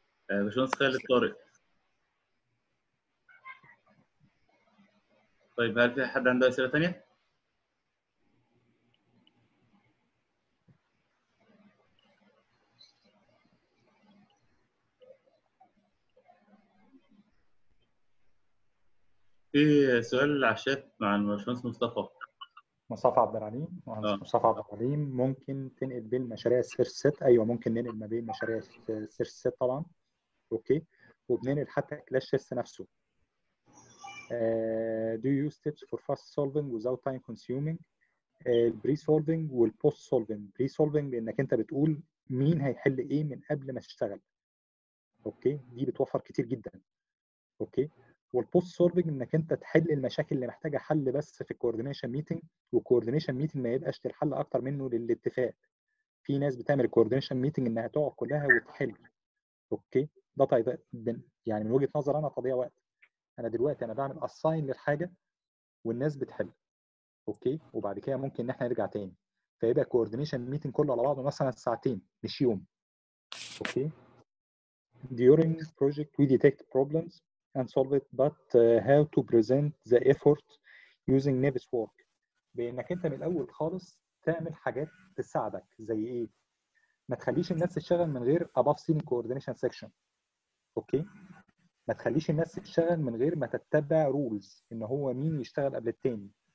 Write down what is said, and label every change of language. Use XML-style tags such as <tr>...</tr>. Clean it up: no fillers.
<ar>باشمهندس خالد طارق، طيب هل في حد عنده اسئله ثانيه؟ في سؤال على الشات مع باشمهندس مصطفى. مصطفى عبد العليم، مصطفى عبد العليم، ممكن تنقل بين مشاريع سير ست؟ ايوه ممكن ننقل ما بين مشاريع سير ست طبعا اوكي، وبننقل حتى كلاش تيست نفسه.</ar> <en>Do you use tips for fast solving without time consuming؟</en> <ar>البري سولفنج والبوست سولفنج. بري سولفنج بانك انت بتقول مين هيحل ايه من قبل ما تشتغل اوكي، دي بتوفر كتير جدا اوكي. والبوست سولفنج انك انت تحل المشاكل اللي محتاجه حل بس في الكوردينيشن ميتنج، والكوردينيشن ميتنج ما يبقاش الحل اكتر منه للاتفاق. في ناس بتعمل الكوردينيشن ميتنج انها تقعد كلها وتحل. اوكي ده طيب يعني من وجهه نظر انا تضيع وقت. انا دلوقتي انا بعمل اساين للحاجه والناس بتحل اوكي، وبعد كده ممكن ان احنا نرجع تاني، فيبقى كوردينيشن ميتنج كله على بعضه مثلا ساعتين مش يوم.</ar> <en>Okay during project we detect problems and solve it but how to present the effort using Nevis work.</en> <ar>بانك انت من الاول خالص تعمل حاجات تساعدك زي ايه، ما تخليش الناس تشتغل من غير</ar> <en>above scene coordination section.</en> <ar>اوكي ما تخليش الناس تشتغل من غير ما تتبع rules ان هو مين يشتغل قبل التاني.</ar>